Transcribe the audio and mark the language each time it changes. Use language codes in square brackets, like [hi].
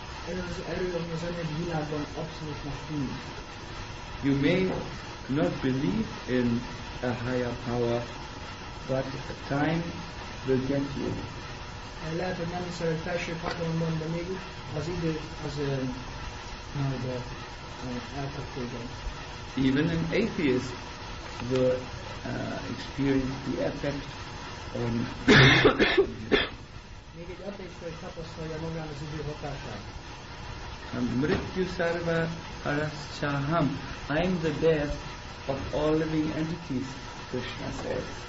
[hu] Ez az erő, ami az anyagi világban abszolútnak tűnik. [en] You may not believe in a higher power, but time will get you. [hu] Lehet, hogy nem hiszel egy felső hatalomban, de még az idő az majd elkap téged. [en] Even an atheist will experience the effect on [hu] még egy atheista is tapasztalja magán az idő hatását. [sa] Mrityu sarva arascham. [en] I am the death of all living entities, Krishna says.